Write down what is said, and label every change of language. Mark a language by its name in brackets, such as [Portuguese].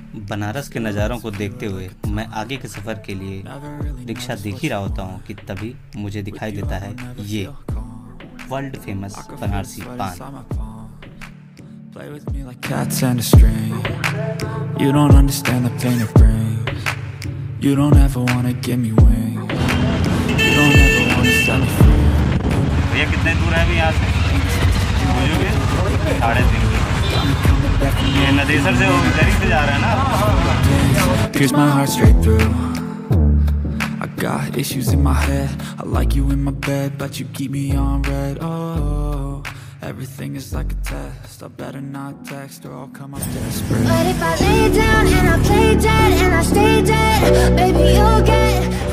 [Hindi] बनारस के नज़ारों को देखते हुए मैं आगे के सफर के लिए रिक्शा देख ही रहा होता हूँ कि तभी मुझे दिखाई देता है ये वर्ल्ड फेमस बनारसी पान। [English] Play with me like cats and a string. You don't understand the pain it brings. You don't ever wanna give me wings. You don't ever wanna set me free. [Hindi] भैया कितने दूर है अभी यहाँ से? बोलोगे? साढ़े तीन। ये नदेसर से वो गरीब से जा रहा है ना? [English] Pierce my heart straight through. I got issues in my head. I like you in my bed, but you keep me on red. Oh. Everything is like a test. I better not text or I'll come up desperate. But if I lay down and I play dead and I stay dead, baby, you'll get.